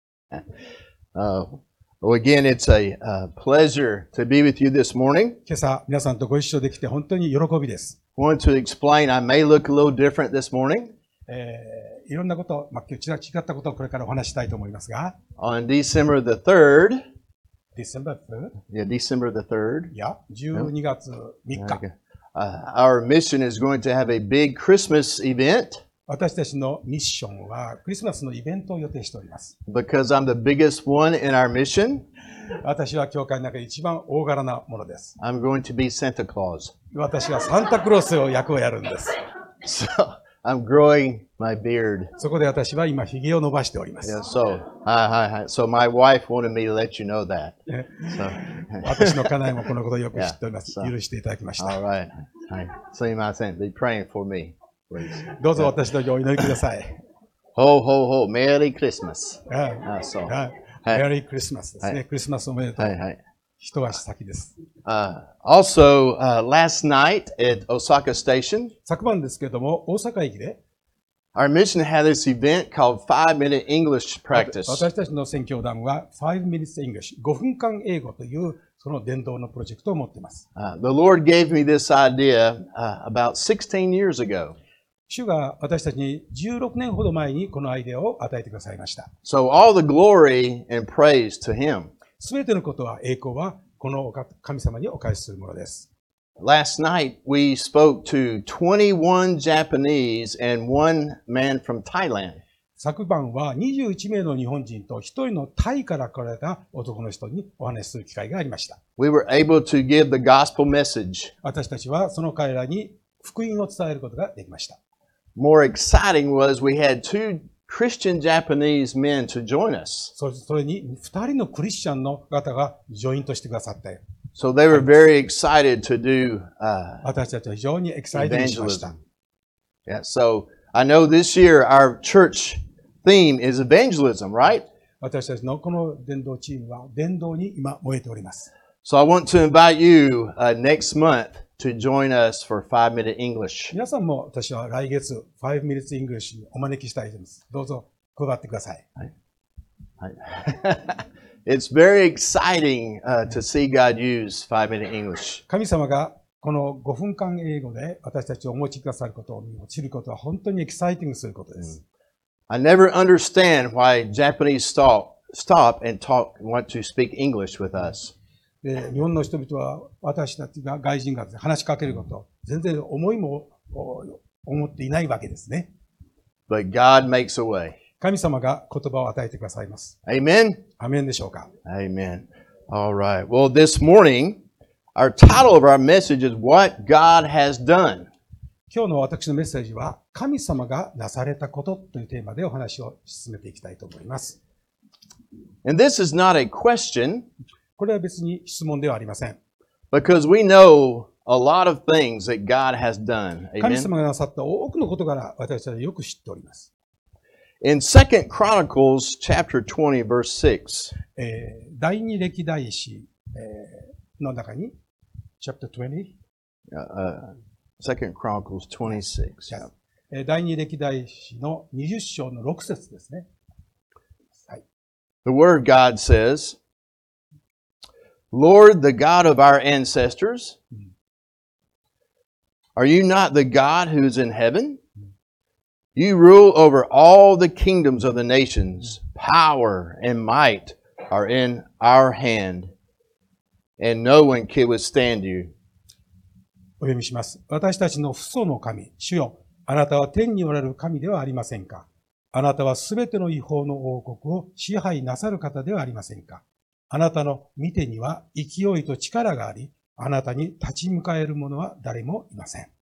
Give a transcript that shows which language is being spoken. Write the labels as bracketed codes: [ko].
[en] Again, it's a pleasure to be with you this morning. [ja] 今朝皆さんとご一緒できて本当に喜びです。 [en] I want to explain, I may look a little different this morning. [ja] いろんなこと、まあ、今日違ったことをこれからお話したいと思いますが。 [en] On December the 3rd. December 3rd? Yeah, December the 3rd. [ja] Yeah, 12月3日。Okay. [en] Our mission is going to have a big Christmas event. [ja] 私たちのミッションはクリスマスのイベントを予定しております。 [en] Because I'm the biggest one in our mission. [ja] 私は教会の中で一番大柄なものです。 [en] I'm going to be Santa Claus. [ja] 私はサンタクロースの役をやるんです。 [en] So, I'm growing my beard. [ja] そこで私は今ひげを伸ばしております。 [en] Yeah, so, So my wife wanted me to let you know that. [ja] So, 私の家内もこのことをよく知っております。 Yeah, so, 許していただきました。 [en] All right. [ja] すいません。 [en] Be praying for me. [ja] どうぞ私のお祈りください。ほうほうほう、メリークリスマス。メリークリスマスですね。クリスマスおめでとう。一足先です。 [en] Also, last night at Osaka Station, [ja] 昨晩ですけれども、大阪駅で、 [en] our mission had this event called 5-minute English practice. [ja] 私たちの宣教団は、5 minutes English、5分間英語という、その伝道のプロジェクトを持っています。 [en] The Lord gave me this idea, about 16 years ago. [ja] 主が私たちに16年ほど前にこのアイデアを与えてくださいました。 [en] So all the glory and praise to him. [ja] 全てのことは栄光はこの神様にお返しするものです。 [en] Last night we spoke to 21 Japanese and one man from Thailand. [ja] 昨晩は21名の日本人と1人のタイから来られた男の人にお話しする機会がありました。 [en] We were able to give the gospel message. [ja] 私たちはその彼らに福音を伝えることができました。 [en] More exciting was we had two Christian Japanese men to join us. [ja] それに2人のクリスチャンの方がジョインとしてくださったよ。 [en] So they were very excited to do, [ja] 私たちは非常にエキサイティングしました。 [en] Yeah, so I know this year our church theme is evangelism, right? [ja] 私たちのこの伝道チームは伝道に今燃えております。 [en] So I want to invite you, next month,to join us for 5-minute English. [ja] 皆さんも私は来月 5-minute English にお招きしたいです。どうぞ加わってください。 [en] It's very exciting, to see God use 5-minute English. [ja] 神様がこの5分間英語で私たちをお持ちくださることを知ることは本当にエキサイティングすることです。 [en] I never understand why Japanese stop and talk want to speak English with us. [ja] 日本の人々は私たちが外人が話しかけること全然思いも思っていないわけですね。 [en] But God makes a way. [ja] 神様が言葉を与えてくださいます。 [en] Amen. [ja] Amen でしょうか。 [en] Amen. All right. Well, this morning, our title of our message is What God Has Done. [ja] 今日の私のメッセージは神様がなされたことというテーマでお話を進めていきたいと思います。 [en] And this is not a question. [ja] これは別に質問ではありません。 [en] Because we know a lot of things that God has done. [ja] 神様がなさった多くのことから私たちはよく知っております。 [en] In 2 Chronicles chapter 20 verse 6. [ja] 第二歴代史の中に chapter 20. [en] 2 Chronicles 26. [ja] 第二歴代史の20章の6節ですね。はい。 [en] The word God says,Lord, the God of our ancestors, are you not the God who is in heaven? You rule over all the kingdoms of the nations. Power and might are in our hand, and no one can withstand you. [ja] お読みします。私たちの父祖の神、主よ、あなたは天におられる神ではありませんか？あなたはすべての異邦の王国を支配なさる方ではありませんか？あなたの見てには勢いと力があり、あなたに立ち向かえる者は誰もいません。